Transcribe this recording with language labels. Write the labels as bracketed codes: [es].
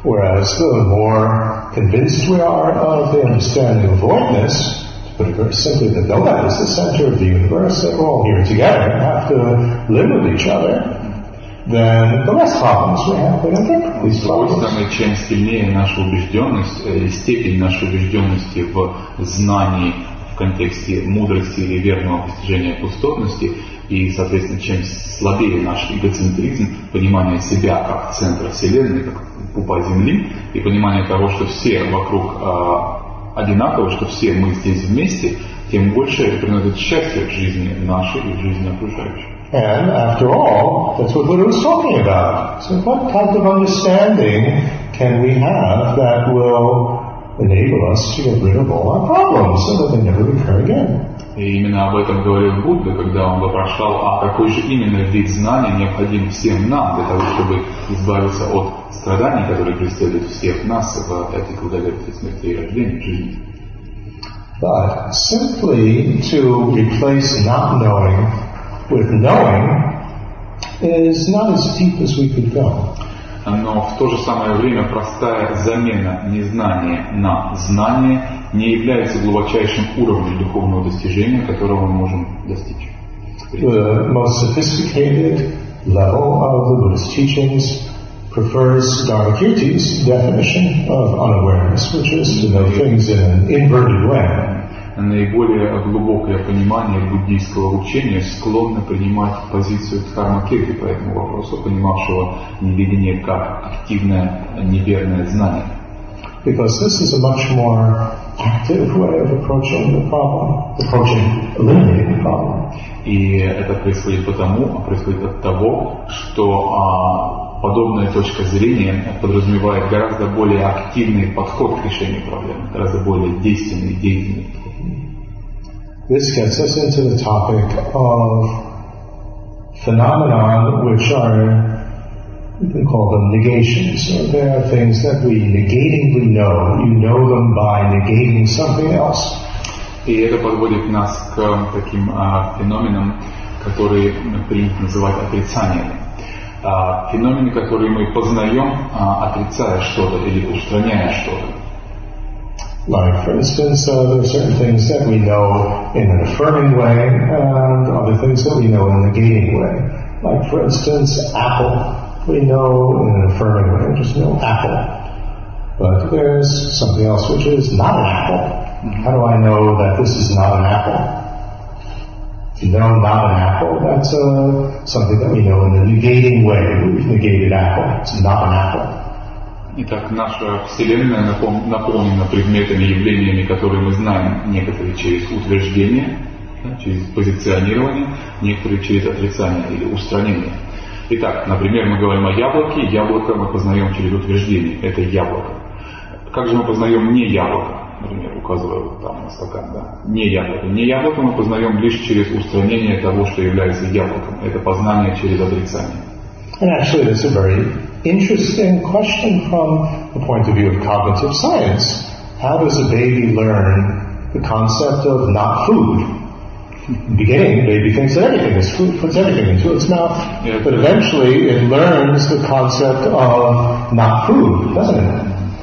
[en] Whereas the more convinced we are of the understanding of voidness, but it's simply that nobody is the center of the universe, that we're all here together and have to live with each other, then the less problems we have, I think, these problems. [ru] С другой стороны, чем сильнее наша убежденность, степень нашей убежденности в знании в контексте мудрости или верного постижения пустотности, И, соответственно, чем слабее наш эгоцентризм, понимание себя как центра Вселенной, как пупа Земли, и понимание того, что все вокруг одинаковы, что все мы здесь вместе, тем больше это приносит счастье в жизни нашей и в жизни окружающих. [en] And after all, that's what Buddha was talking about. So what type of understanding can we have that will enable us to get rid of all our problems so that they never recur again? [ru] И именно об этом говорил Будда, когда он вопрошал, а какой же именно вид знания необходим всем нам для того, чтобы избавиться от страданий, которые преследуют всех нас в этой круговерти смерти и рождения, жизни. [en] But simply to replace not knowing with knowing is not as deep as we could go. [ru] Но в то же самое время простая замена незнания на знание не является глубочайшим уровнем духовного достижения, которого мы можем достичь. [en] The most sophisticated level of the Buddhist teachings prefers Dharmakirti's definition of unawareness, which is to know things in an inverted way. [ru] Наиболее глубокое понимание буддийского учения склонно принимать позицию Дхармакирти по этому вопросу, понимавшего неведение как активное неверное знание. [en] Because this is a much more active way of approaching the problem, approaching eliminating the problem. [ru] И это происходит потому, а происходит от того, что подобная точка зрения подразумевает гораздо более активный подход к решению проблемы, гораздо более действенный, деятельный подход. [en] This gets us into the topic of phenomenon, which are, you can call them negations. So there are things that we negatively know. You know them by negating something else. [ru] И это подводит нас к таким феноменам, которые принято называть отрицаниями. Феномены, которые мы познаем, отрицая что-то или устраняя что-то. [en] Like, for instance, there are certain things that we know in an affirming way and other things that we know in a negating way. Like, for instance, apple. We know in an affirming way, just know apple. But there's something else which is not an apple. How do I know that this is not an apple? If you know not an apple, that's something that we know in a negating way. We've negated apple. It's not an apple. [ru] Итак, наша Вселенная наполнена предметами, явлениями, которые мы знаем, некоторые через утверждение, да, через позиционирование, некоторые через отрицание или устранение. Итак, например, мы говорим о яблоке, яблоко мы познаем через утверждение, это яблоко. Как же мы познаем не яблоко, например, указывая вот там на стакан, да, не яблоко. Не яблоко мы познаем лишь через устранение того, что является яблоком, это познание через отрицание. [en] And actually, that's a very interesting question from the point of view of cognitive science. How does a baby learn the concept of not food? In the beginning, the baby thinks that everything is food, puts everything into its mouth. Yeah. But eventually, it learns the concept of not food, doesn't it?